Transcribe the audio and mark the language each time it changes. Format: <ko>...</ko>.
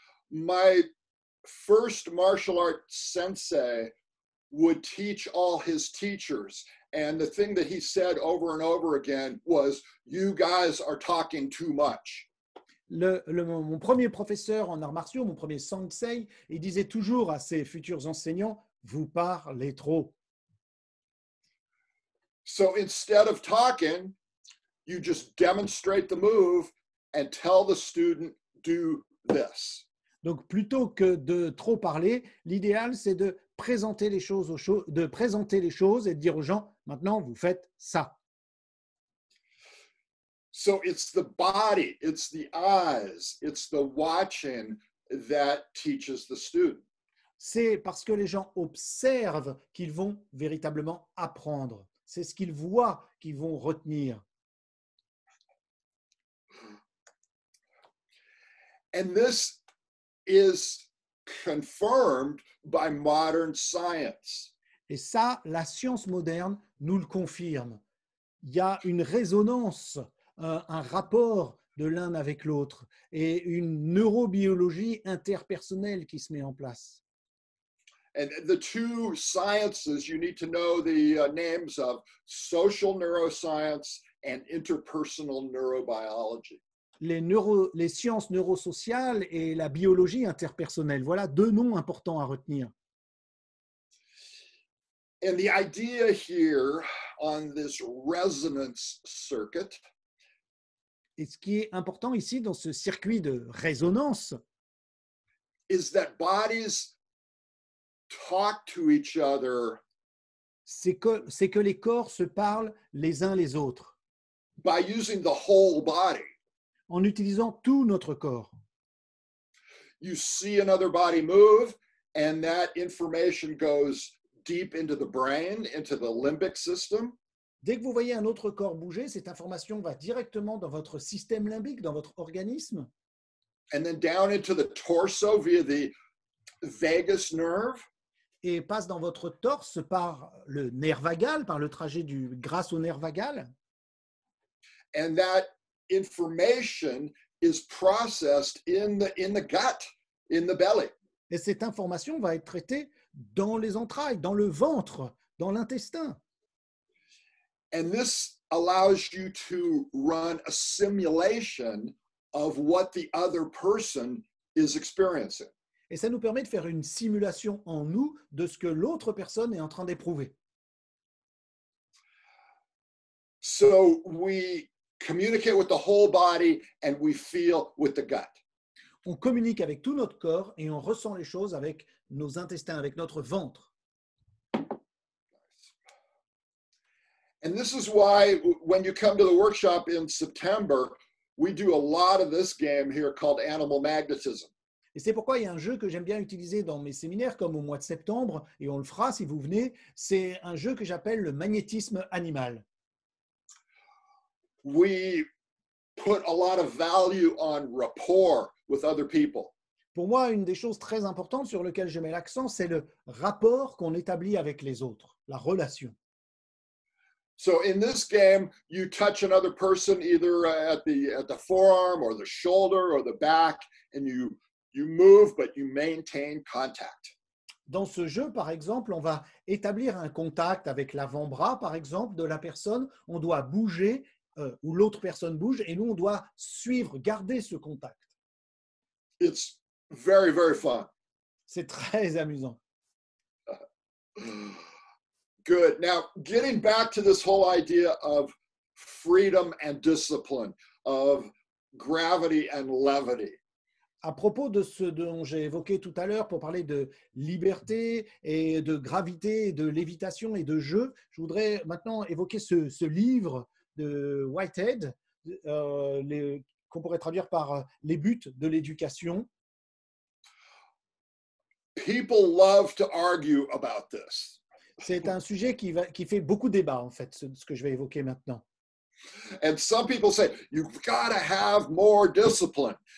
<en>My first martial arts sensei would teach all his teachers. And the thing that he said over and over again was, you guys are talking too much.</en> <fr>Mon premier professeur en arts martiaux, mon premier sensei, il disait toujours à ses futurs enseignants, vous parlez trop.</fr> <en>So instead of talking, you just demonstrate the move and tell the student, do this.</en> <fr>Donc plutôt que de trop parler, l'idéal c'est de présenter les choses et de dire aux gens, maintenant vous faites ça.</fr> <en>So it's the body, it's the eyes, it's the watching that teaches the student.</en> <fr>C'est parce que les gens observent qu'ils vont véritablement apprendre. C'est ce qu'ils voient qu'ils vont retenir.</fr> <en>And this is confirmed by modern science.</en> <fr>Et ça, la science moderne nous le confirme. Il y a une résonance, un rapport de l'un avec l'autre et une neurobiologie interpersonnelle qui se met en place.</fr> <en>And the two sciences you need to know the names of, social neuroscience and interpersonal neurobiology.</en> <fr>Les sciences neurosociales et la biologie interpersonnelle, voilà deux noms importants à retenir.</fr> <en>And the idea here on this resonance circuit.</en> <fr>Et ce qui est important ici dans ce circuit de résonance,</fr> <en>is that bodies talk to each other.</en> <fr>C'est que les corps se parlent les uns les autres.</fr> <en>By using the whole body.</en> <fr>En utilisant tout notre corps.</fr> <en>You see another body move, and that information goes deep into the brain, into the limbic system.</en> <fr>Dès que vous voyez un autre corps bouger, cette information va directement dans votre système limbique, dans votre organisme.</fr> <en>And then down into the torso via the vagus nerve.</en> <fr>Et passe dans votre torse par le nerf vagal, par le trajet du grâce au nerf vagal.</fr> <en>And that information is processed in the gut, in the belly.</en> <fr>Et cette information va être traitée dans les entrailles, dans le ventre, dans l'intestin.</fr> <en>And this allows you to run a simulation of what the other person is experiencing.</en> <fr>Et ça nous permet de faire une simulation en nous de ce que l'autre personne est en train d'éprouver.</fr> <en>So we communicate with the whole body and we feel with the gut.</en> <fr>On communique avec tout notre corps et on ressent les choses avec nos intestins, avec notre ventre.</fr> <en>And this is why when you come to the workshop in September, we do a lot of this game here called animal magnetism.</en> <fr>Et c'est pourquoi il y a un jeu que j'aime bien utiliser dans mes séminaires, comme au mois de septembre, et on le fera si vous venez. C'est un jeu que j'appelle le magnétisme animal.</fr> <en>We put a lot of value on rapport with other people.</en> <fr>Pour moi, une des choses très importantes sur lesquelles je mets l'accent, c'est le rapport qu'on établit avec les autres, la relation.</fr> <en>So in this game, you touch another person either at the forearm or the shoulder or the back, and you move, but you maintain contact.</en> <fr>Dans ce jeu, par exemple, on va établir un contact avec l'avant-bras, par exemple, de la personne. On doit bouger, ou l'autre personne bouge, et nous, on doit suivre, garder ce contact.</fr> <en>It's very, very fun.</en> <fr>C'est très amusant.</fr> <en>Good. Now, getting back to this whole idea of freedom and discipline, of gravity and levity.</en> <fr>À propos de ce dont j'ai évoqué tout à l'heure pour parler de liberté et de gravité, de lévitation et de jeu, je voudrais maintenant évoquer ce livre de Whitehead qu'on pourrait traduire par Les buts de l'éducation.</fr> <en>People love to argue about this.</en> <fr>C'est un sujet qui fait beaucoup débat en fait, ce que je vais évoquer maintenant.</fr> <en>And some people say you've got to have more discipline.</en>